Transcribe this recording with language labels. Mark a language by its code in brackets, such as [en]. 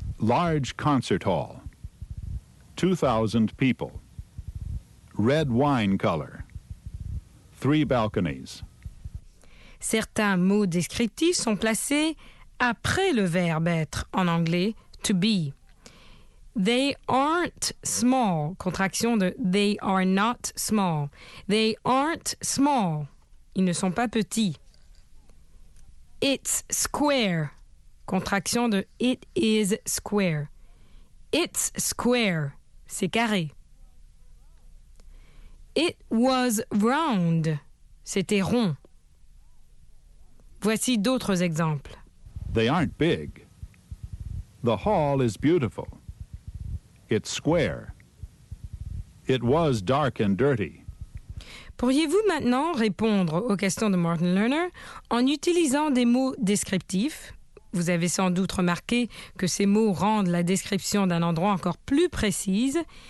[en] Large concert hall. 2,000 people. Red wine color. 3 balconies. [fr] Certains mots descriptifs sont placés après le verbe être en anglais, to be. [en] They aren't small, [fr] contraction de [en] they are not small. They aren't small. [fr] Ils ne sont pas petits. [en] It's square, [fr] contraction de [en] it is square. It's square. [fr] C'est carré. [en] It was round. [fr] C'était rond. Voici d'autres exemples. [en] They aren't big. The hall is beautiful. It's square. It was dark and dirty. [fr] Pourriez-vous maintenant répondre aux questions de Martin Lerner en utilisant des mots descriptifs? Vous avez sans doute remarqué que ces mots rendent la description d'un endroit encore plus précise.